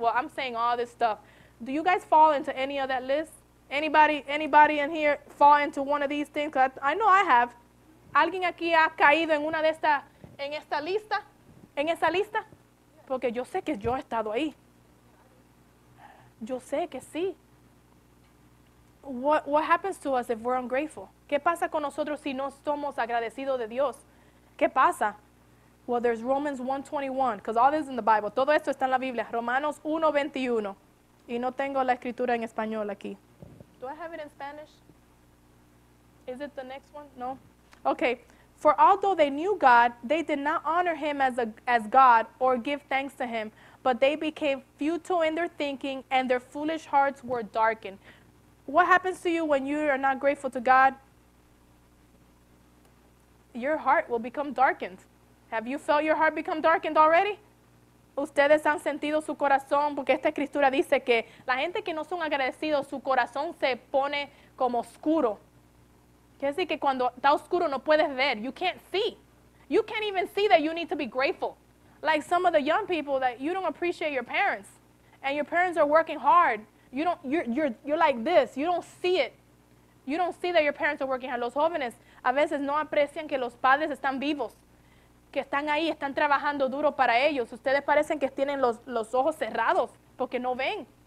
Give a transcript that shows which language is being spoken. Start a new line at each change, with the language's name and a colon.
English: Well, I'm saying all this stuff. Do you guys fall into any of that list? Anybody in here fall into one of these things? I know I have.
Spanish: ¿Alguien aquí ha caído en una de esta, en esta lista? En esa lista, porque yo sé que yo he estado ahí. Yo sé que sí.
English: What happens to us if we're ungrateful?
Spanish: ¿Qué pasa con nosotros si no somos agradecidos de Dios? ¿Qué pasa?
English: Well, there's Romans 1:21, because all this is in the Bible.
Spanish: Todo esto está en la Biblia. Romanos 1:21. Y no tengo la escritura en español aquí.
English: Do I have it in Spanish? Is it the next one? No. Okay. For although they knew God, they did not honor him as God or give thanks to him, but they became futile in their thinking and their foolish hearts were darkened. What happens to you when you are not grateful to God? Your heart will become darkened. Have you felt your heart become darkened already?
Spanish: Ustedes han sentido su corazón, porque esta escritura dice que la gente que no son agradecidos, su corazón se pone como oscuro. Quiere decir que cuando está oscuro no puedes ver.
English: You can't see. You can't even see that you need to be grateful. Like some of the young people that you don't appreciate your parents. And your parents are working hard. You're like this. You don't see it. You don't see that your parents are working hard.
Spanish: Los jóvenes a veces no aprecian que los padres están vivos. Que están ahí, están trabajando duro para ellos. Ustedes parecen que tienen los ojos cerrados porque no ven.